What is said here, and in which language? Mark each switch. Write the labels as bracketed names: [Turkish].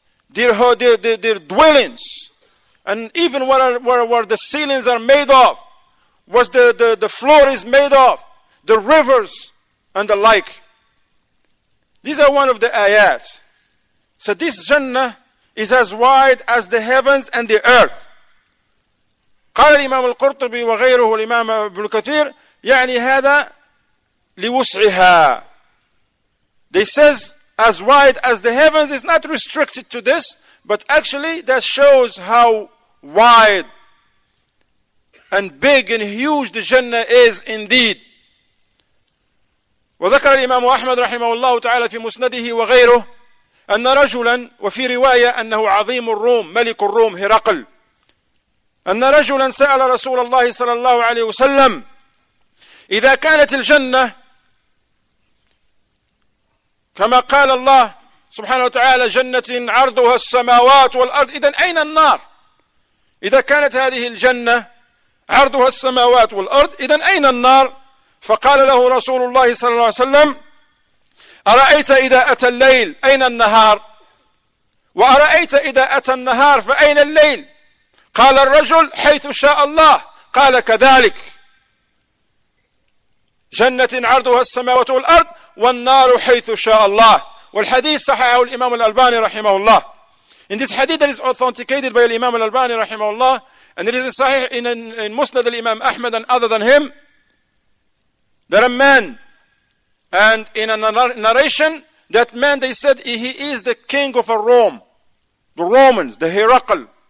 [English] Their dwellings. And even what the ceilings are made of. What the floor is made of. The rivers and the like. These are one of the ayats. So this Jannah is as wide as the heavens and the earth. [Arabic] قال الإمام القرطبي وغيره الإمام ابن كثير يعني هذا لوسعها. [English] They says as wide as the heavens is not restricted to this, but actually that shows how wide and big and huge the Jannah is indeed. [Arabic] وذكر الإمام أحمد رحمه الله تعالى في مسنده وغيره أن رجلا وفي رواية أنه عظيم الروم ملك الروم هرقل أن رجلا سأل رسول الله صلى الله عليه وسلم: إذا كانت الجنة كما قال الله سبحانه وتعالى جنة عرضها السماوات والأرض، إذن أين النار؟ إذا كانت هذه الجنة عرضها السماوات والأرض، إذن أين النار؟ فقال له رسول الله صلى الله عليه وسلم: أرأيت إذا أتى الليل أين النهار؟ وأرأيت إذا أتى النهار فأين الليل؟ قال الرجل: حيث شاء الله. قال: كذلك جنة عرضها السماوات والأرض، والنار حيث شاء الله. والحديث صححه الإمام الألباني رحمه الله. [English] In this hadith that is authenticated by الإمام الألباني [Arabic] رحمه الله, [English] and it is صحيح in مسند الإمام أحمد and other than him, that a man, and in a narration, that man, they said, he is the king of Rome, the Romans, the Heracles.